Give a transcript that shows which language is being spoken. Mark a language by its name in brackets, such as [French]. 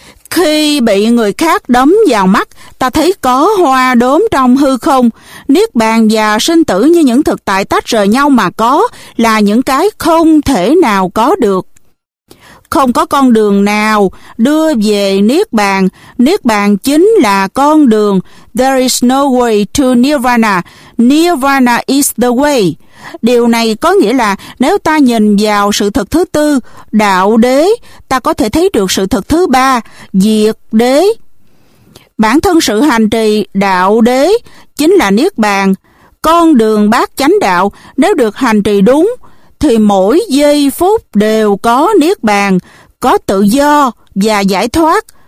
[Vietnamese] Khi bị người khác đấm vào mắt, ta thấy có hoa đốm trong hư không. Niết bàn và sinh tử như những thực tại tách rời nhau mà có là những cái không thể nào có được. Không có con đường nào đưa về Niết bàn. Niết bàn chính là con đường. [English] There is no way to Nirvana. Nirvana is the way. [Vietnamese] Điều này có nghĩa là nếu ta nhìn vào sự thật thứ tư, đạo đế, ta có thể thấy được sự thật thứ ba, diệt đế. Bản thân sự hành trì đạo đế chính là Niết bàn. Con đường bát chánh đạo nếu được hành trì đúng, thì mỗi giây phút đều có niết bàn, có tự do và giải thoát.